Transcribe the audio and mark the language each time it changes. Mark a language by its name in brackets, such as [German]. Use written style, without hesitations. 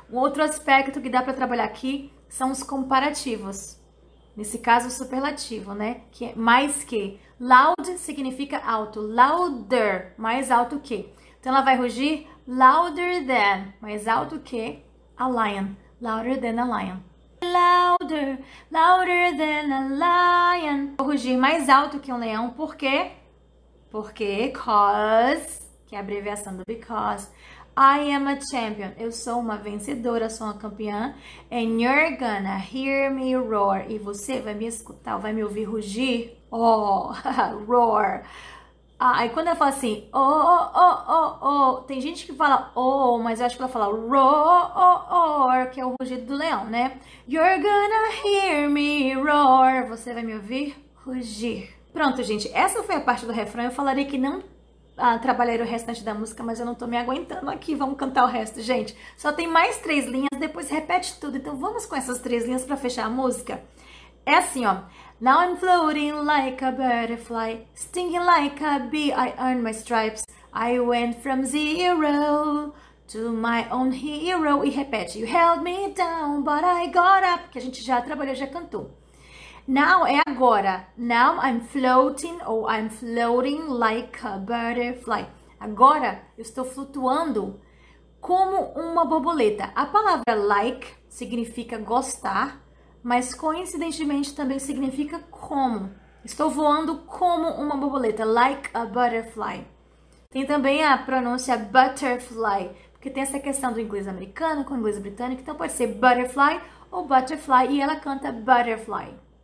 [Portuguese] Um outro aspecto que dá para trabalhar aqui são os comparativos. Nesse caso, superlativo, né? Que é mais que. Loud significa alto. Louder, mais alto que. Então ela vai rugir [English] louder than, [Portuguese] mais alto que [English] a lion. Louder than a lion. Louder, louder than a lion. [Portuguese] Vou rugir mais alto que um leão, por quê? Porque, cause, que é a abreviação do because. [English] I am a champion. [Portuguese] Eu sou uma vencedora, sou uma campeã. [English] And you're gonna hear me roar. [Portuguese] E você vai me escutar, vai me ouvir rugir. Oh, roar. Ah, aí quando ela fala assim: oh. Tem gente que fala oh, mas eu acho que ela fala roar, que é o rugido do leão, né? [English] You're gonna hear me roar. [Portuguese] Você vai me ouvir rugir. Pronto, gente. Essa foi a parte do refrão. Eu falaria que não. Ah, trabalhei o restante da música, mas eu não tô me aguentando aqui. Vamos cantar o resto, gente. Só tem mais três linhas, depois repete tudo. Então vamos com essas três linhas para fechar a música. É assim, ó: [English] Now I'm floating like a butterfly, stinging like a bee, I earned my stripes. I went from zero to my own hero. [Portuguese] E repete: [English] You held me down, but I got up. [Portuguese] Que a gente já trabalhou, já cantou. Now é agora. [English] Now I'm floating, ou I'm floating like a butterfly. [Portuguese] Agora eu estou flutuando como uma borboleta. A palavra like significa gostar, mas coincidentemente também significa como. Estou voando como uma borboleta, [English] like a butterfly. [Portuguese] Tem também a pronúncia butterfly, porque tem essa questão do inglês americano com o inglês britânico, então pode ser butterfly ou butterfly, e ela canta butterfly.